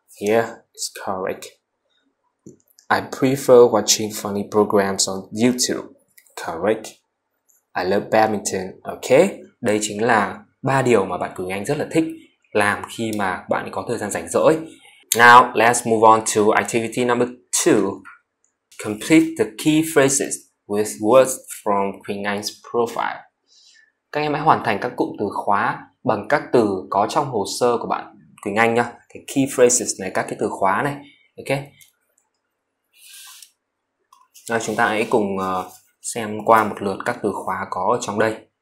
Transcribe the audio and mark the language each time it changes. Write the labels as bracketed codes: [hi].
[en] Here is correct. I prefer watching funny programs on YouTube. Correct. I love badminton. Okay. [vi] Đây chính là ba điều mà bạn Quỳnh Anh rất là thích làm khi mà bạn có thời gian rảnh rỗi. [en] Now, let's move on to activity number 2. Complete the key phrases with words from Quỳnh Anh's profile. [vi] Các em hãy hoàn thành các cụm từ khóa bằng các từ có trong hồ sơ của bạn Quỳnh Anh nhá. Cái [en] key phrases [vi] này, các cái từ khóa này. Ok. Rồi, chúng ta hãy cùng xem qua một lượt các từ khóa có ở trong đây.